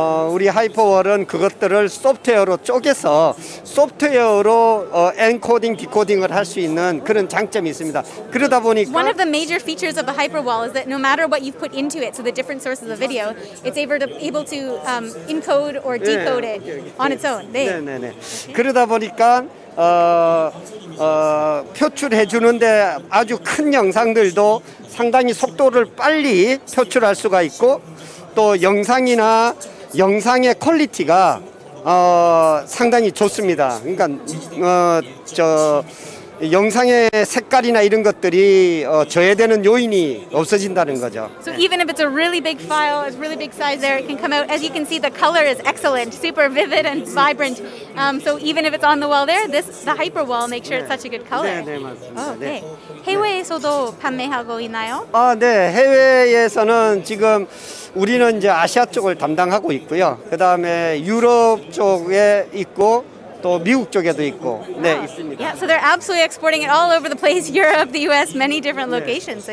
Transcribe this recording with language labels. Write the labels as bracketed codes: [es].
[ko] 우리 하이퍼월은 그것들을 소프트웨어로 쪼개서 소프트웨어로 엔코딩, 디코딩을 할 수 있는 그런 장점이 있습니다. 그러다 보니까 [en] One of the major features of the Hyperwall is that no matter what you've put into it, so the different sources of video, it's able to encode or decode it on its own. [ko] 네. 네, 네, 네. 그러다 보니까 표출해 주는데 아주 큰 영상들도 상당히 속도를 빨리 표출할 수가 있고 또 영상이나 영상의 퀄리티가 상당히 좋습니다. 그러니까 영상의 색깔이나 이런 것들이 저해되는 요인이 없어진다는 거죠. [en] So even if it's a really big file, it's really big size there, it can come out. As you can see, the color is excellent, super vivid and vibrant. So even if it's on the wall there, the hyper wall makes sure it's such a good color. [ko] 네, 네 맞습니다. 네. 해외에서도 판매하고 있나요? 네, 해외에서는 지금 우리는 이제 아시아 쪽을 담당하고 있고요. 그 다음에 유럽 쪽에 있고 또 미국 쪽에도 있고 네 wow. 있습니다. [en] Yeah, so they're absolutely exporting it all over the place, Europe, the U.S., many different locations.